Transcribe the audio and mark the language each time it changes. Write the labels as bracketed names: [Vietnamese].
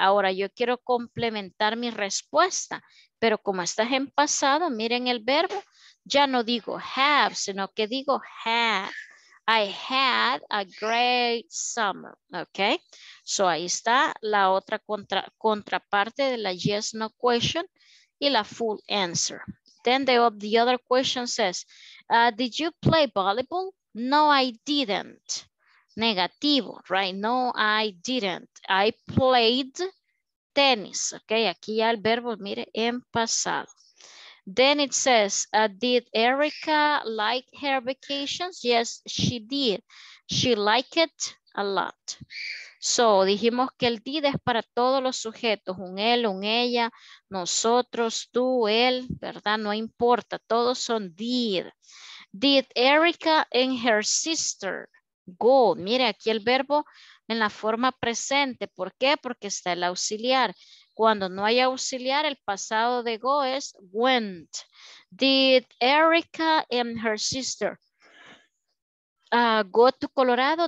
[Spanish] Ahora yo quiero complementar mi respuesta, pero como estás en pasado, miren el verbo, ya no digo have, sino que digo had. [English] I had a great summer. Okay. [Spanish] So ahí está la otra contraparte de la yes, no question y la full answer. [English] Then the other question says, did you play volleyball? No, I didn't. [Spanish] Negativo, [English] right? No, I didn't. I played tennis. Okay, [Spanish] aquí ya el verbo, mire, en pasado. [English] Then it says, did Erica like her vacations? Yes, she did. She liked it a lot. [Spanish] So, dijimos que el did es para todos los sujetos, un él, un ella, nosotros, tú, él, ¿verdad? No importa, todos son did. [English] Did Erica and her sister go? [Spanish] Mire, aquí el verbo en la forma presente. ¿Por qué? Porque está el auxiliar. Cuando no hay auxiliar, el pasado de go es went. [English] Did Erica and her sister go to Colorado?